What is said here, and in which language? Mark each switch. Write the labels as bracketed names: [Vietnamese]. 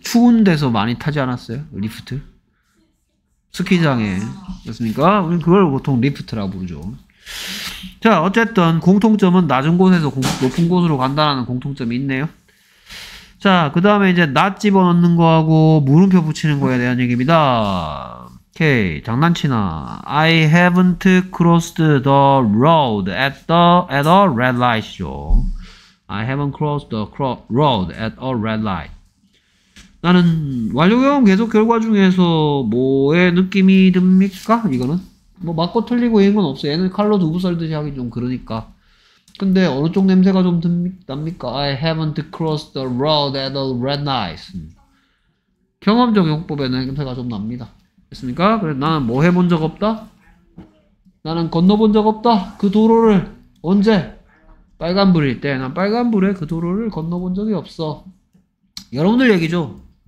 [Korean] 추운 데서 많이 타지 않았어요? 리프트? 스키장에. 그렇습니까? 우린 그걸 보통 리프트라고 부르죠. 자, 어쨌든 공통점은 낮은 곳에서 높은 곳으로 간다는 공통점이 있네요. 자, 그 다음에 이제 낫 집어넣는 거하고 물음표 붙이는 거에 대한 얘기입니다. 오케이, 장난치나. [English] I haven't crossed the road at a red light죠. I haven't crossed the road at a red light. [Korean] 나는 완료형 계속 결과 중에서 뭐의 느낌이 듭니까? 이거는 뭐 맞고 틀리고 이런 건 없어. 얘는 칼로 두부 썰듯이 하기 좀 그러니까. 근데 어느 쪽 냄새가 좀 듭니까? [English] I haven't crossed the road at a red light. [Korean] 경험적 용법에 냄새가 좀 납니다. 됐습니까? 그래, 나는 뭐 해본 적 없다? 나는 건너본 적 없다? 그 도로를 언제? 빨간불일 때. 난 빨간불에 그 도로를 건너본 적이 없어. 여러분들 얘기죠?